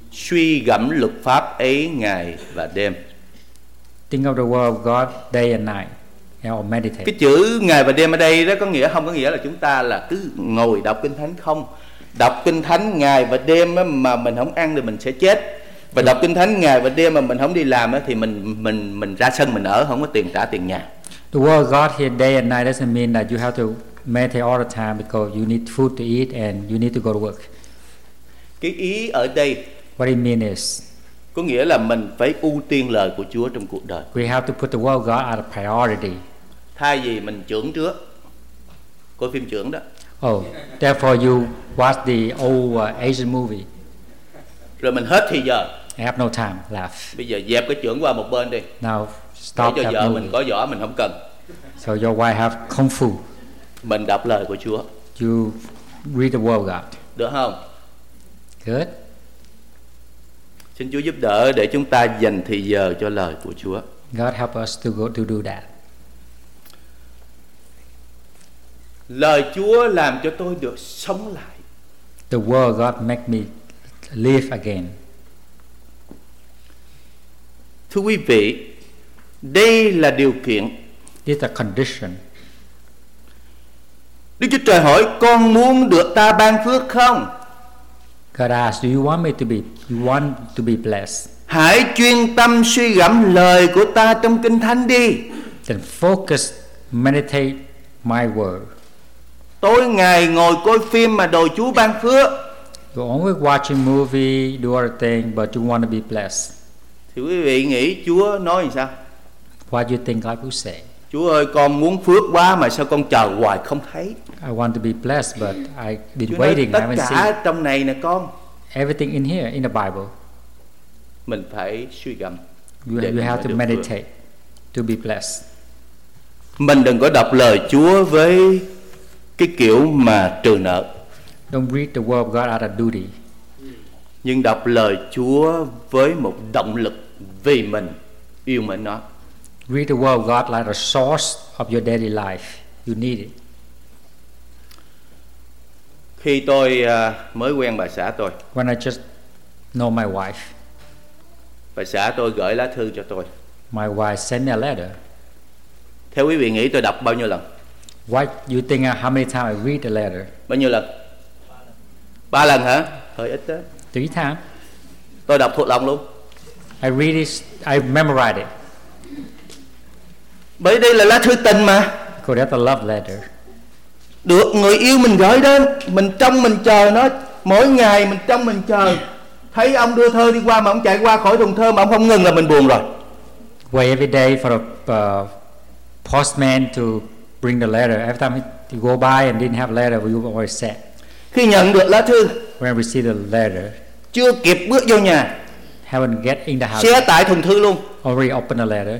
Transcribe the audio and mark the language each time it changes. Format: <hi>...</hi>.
<vi>Suy gẫm luật pháp ấy ngày và đêm.</vi> <en>Think of the word of God day and night. Or meditate.</en> <vi>Cái chữ ngày và đêm ở đây đó có nghĩa không có nghĩa là chúng ta là cứ ngồi đọc kinh thánh không. Đọc kinh thánh ngày và đêm mà mình không ăn thì mình sẽ chết. Và đọc kinh thánh ngày và đêm mà mình không đi làm thì mình ra sân mình ở, không có tiền trả tiền nhà.</vi> <en>The word God here day and night doesn't mean that you have to meditate all the time because you need food to eat and you need to go to work.</en> <vi>Cái ý ở đây,</vi> <en>what it means is,</en> <vi>có nghĩa là mình phải ưu tiên lời của Chúa trong cuộc đời.</vi> <en>We have to put the word God as a priority.</en> <vi>Thay vì mình chưởng trước, coi phim chưởng đó.</vi> <en>Oh, therefore you watch the old Asian movie.</en> <vi>Rồi mình hết thì giờ.</vi> <en>I have no time left.</en> <vi>Bây giờ dẹp cái chưởng qua một bên đi.</vi> <en>Now stop.</en> <vi>Để cho vợ mình có vỏ mình không cần.</vi> <en>So your wife have kung fu.</en> <vi>Mình đọc lời của Chúa.</vi> <en>You read the word of God.</en> <vi>Được không?</vi> <en>Good.</en> <vi>Xin Chúa giúp đỡ để chúng ta dành thời giờ cho lời của Chúa.</vi> <en>God help us to go to do that.</en> <vi>Lời Chúa làm cho tôi được sống lại.</vi> <en>The word of God make me live again.</en> <vi>Thưa quý vị, đây là điều kiện.</vi> <en>This is a condition.</en> <vi>Đức Chúa Trời hỏi con muốn được ta ban phước không?</vi> <en>God asks, do you want to be blessed?</en> <vi>Hãy chuyên tâm suy gẫm lời của ta trong kinh thánh đi.</vi> <en>Then focus, meditate my word.</en> <vi>Tối ngày ngồi coi phim mà đòi Chúa ban phước.</vi> <en>You're always watching movie, do other thing, but you want to be blessed.</en> <vi>Thì quý vị nghĩ Chúa nói sao?</vi> <en>What do you think God will say?</en> <vi>Chúa ơi, con muốn phước quá mà sao con chờ hoài không thấy?</vi> <en>I want to be blessed, but I've been</en> <vi>Chúa</vi> <en>waiting,</en> <vi>nói, tất</vi> <en>I haven't</en> <vi>cả</vi> <en>seen.</en> <vi>Trong này nè con.</vi> <en>everything in here in the Bible.</en> <vi>Mình phải suy gẫm.</vi> <en>You have to meditate to be blessed.</en> <vi>Mình đừng có đọc lời Chúa với cái kiểu mà trừ nợ.</vi> <en>Don't read the word of God out of duty.</en> <vi>Nhưng đọc lời Chúa với một động lực vì mình yêu mình nó.</vi> <en>Read the word of God like a source of your daily life. You need it.</en> <vi>Khi tôi mới quen bà xã tôi.</vi> <en>When I just know my wife.</en> <vi>Bà xã tôi gửi lá thư cho tôi.</vi> <en>My wife sent me a letter.</en> <vi>Theo quý vị nghĩ tôi đọc bao nhiêu lần?</vi> <en>What you think how many times I read the letter?</en> <vi>Bao nhiêu lần? Ba lần. Ba lần hả? Hơi ít đó.</vi> <en>Three times.</en> <vi>Tôi đọc thuộc lòng luôn.</vi> <en>I read it, I memorize it.</en> <vi>Bởi đây là lá thư tình mà.</vi> <en>Because that's a love letter.</en> <vi>Được người yêu mình gửi đến, mình trông mình chờ nó mỗi ngày, mình trông mình chờ. Thấy ông đưa thơ đi qua mà ông chạy qua khỏi thùng thơ mà ông không ngừng là mình buồn rồi.</vi> <en>Wait every day for a postman to bring the letter. Every time he go by and didn't have letter, we were always sad.</en> <vi>Khi nhận được lá thư,</vi> <en>when we see the letter,</en> <vi>chưa kịp bước vô nhà,</vi> <en>haven't get in the house,</en> <vi>xé tải thùng thư luôn,</vi> <en>already open the letter,</en>